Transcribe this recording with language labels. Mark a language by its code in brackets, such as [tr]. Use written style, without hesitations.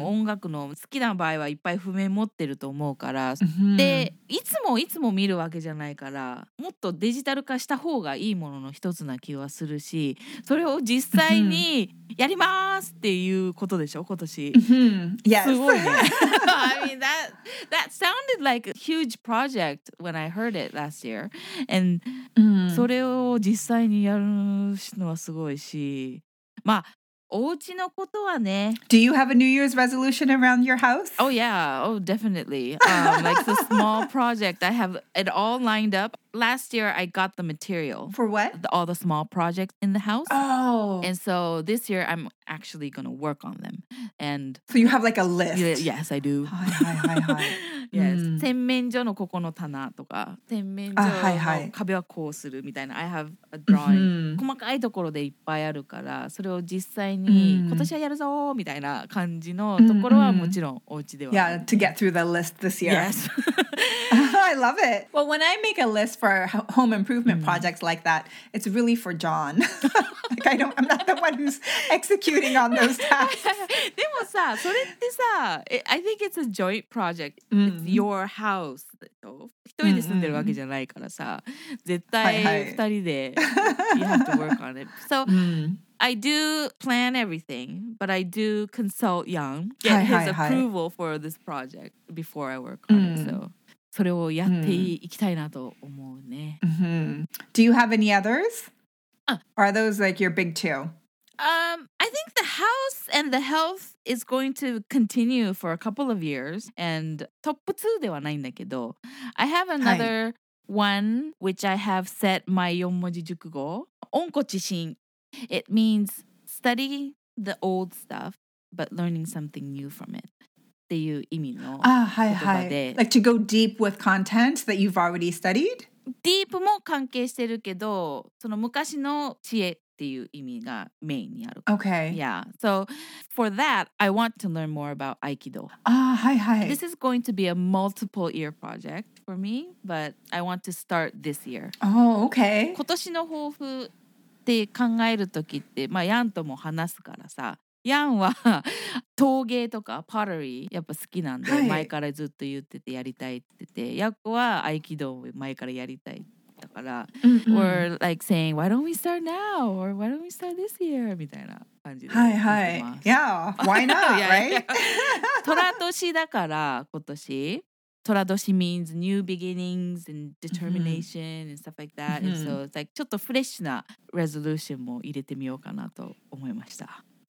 [ja] 音楽の好きな場合はいっぱい譜面持ってると思うから、うん、でいつもいつも見るわけじゃないから、もっとデジタル化した方がいいものの一つな気はするし、それを実際にやりますっていうことでしょ今年、うん、すごいね。 [en] I mean that sounded like a huge project when I heard it last year. And、 [ja] うん、それを実際にやるのはすごいし、まあお家のことはね。 [en] Do you have a New Year's resolution around your house? Oh yeah, oh definitely. like the small project, I have it all lined up. Last year, I got the material. For what? All the small projects in the house. Oh. And so this year, I'm actually going to work on them. And so you have like a list. Yes, I do. Hi, hi, hi, hi. Yes. [ja] 洗面所のここの棚とか、洗面所の、壁はこうするみたいな。 [en] I have a drawing. [ja] 細かいところでいっぱいあるから、それを実際に今年はやるぞみたいな感じのところはもちろんお家では。 [en] Yeah, to get through the list this year. Yes. I love it. Well, when I make a list for home improvement projects like that, it's really for John. like, I'm not the one who's executing on those tasks. [ja] でもさ、それってさ、 [en] I think it's a joint project. Mm-hmm. It's your house. [ja] 一人で住んでるわけじゃないからさ、絶対二人で [en] you have to work on it. So, I do plan everything, but I do consult Yang, get his approval for this project before I work on it, so... [ja] それをやっていきたいなと思うね。 [en] Do you have any others? Are those like your big two? I think the house and the health is going to continue for a couple of years. And top 2 [ja] ではないんだけど、 [en] I have another one which I have set my 4文字熟語。温故知新。 It means study the old stuff, but learning something new from it. [ja] っていう意味の言葉で、 [en] like to go deep with content that you've already studied? [ja] Deep も関係してるけど、その昔の知恵っていう意味がメインにある。 [en] Okay. Yeah. So for that, I want to learn more about Aikido. This is going to be a multiple year project for me, but I want to start this year. Oh, okay. [ja] 今年の抱負って考えるときって、まあヤンとも話すからさ、ヤンは陶芸とかパロリーやっぱ好きなんで、はい、前からずっと言っててやりたいって言って、ヤクは合気道を前からやりたいだから、 mm-hmm. [en] We're like saying why don't we start now or why don't we start this year [ja] みたいな感じで、はいはい、 [en] Yeah, why not, right? [ja] 虎年だから今年、虎年 [en] means new beginnings and determination、mm-hmm. and stuff like that、mm-hmm. and so it's like [ja] ちょっとフレッシュな [en] resolution [ja] も入れてみようかなと思いました。